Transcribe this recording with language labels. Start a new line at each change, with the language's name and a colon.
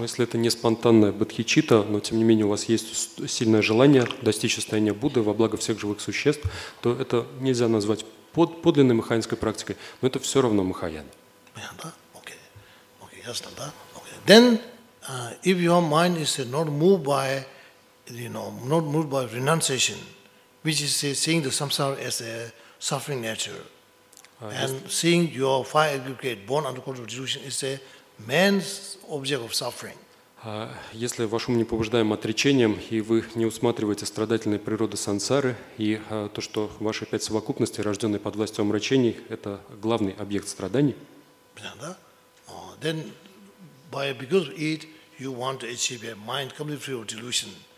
Russian: Но если это не спонтанная бодхичитта, но тем не менее у вас есть сильное желание достичь состояния Будды во благо всех живых существ, то это нельзя назвать подлинной махаянской практикой, но это все равно махаяна. Понятно? Okay. Okay. Ясно, да? Okay.
English: Then, if your mind is not moved by, you know, not moved by renunciation, which is seeing the samsara as a suffering nature, and seeing your five aggregate born under control of delusion is a man's object of suffering.
Russian: Если ваш ум не побуждаем отречением, и вы не усматриваете страдательной природы сансары, и то, что ваши пять совокупностей, рожденные под властью омрачений, это главный объект страданий. Понятно?
English: Then, by because of it, you want to achieve a mind completely free of delusion.